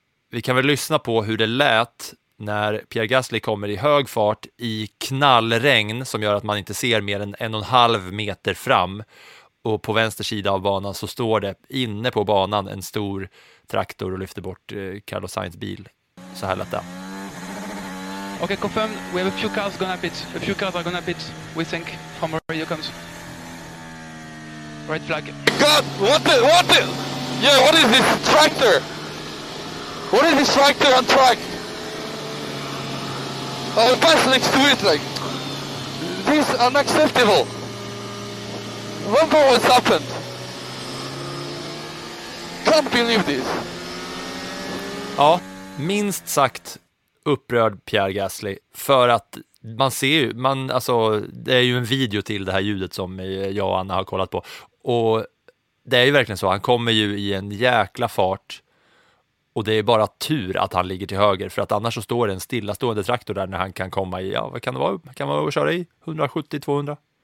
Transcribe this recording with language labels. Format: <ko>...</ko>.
<sv>Vi kan väl lyssna på hur det lät när Pierre Gasly kommer i hög fart i knallregn som gör att man inte ser mer än 1,5 meter fram, och på vänster sida av banan så står det inne på banan en stor traktor och lyfter bort Carlos Sainz bil. Så här lät det.</sv> <en>Okay, confirmed. We have a few cars gonna pit. A few cars are gonna pit, we think, from where you come. Red flag. God, what the? Yeah, what is this tractor? What is this tractor on track? Oh, pass next to it, like. This is unacceptable. Remember what's happened. Can't believe this.</en> <sv>Ja, minst sagt upprörd Pierre Gasly, för att man ser ju, alltså, det är ju en video till det här ljudet som jag och Anna har kollat på, och det är ju verkligen så, han kommer ju i en jäkla fart och det är bara tur att han ligger till höger, för att annars så står det en stillastående traktor där när han kan komma i, ja, vad kan det vara, kan man köra i 170-200?</sv>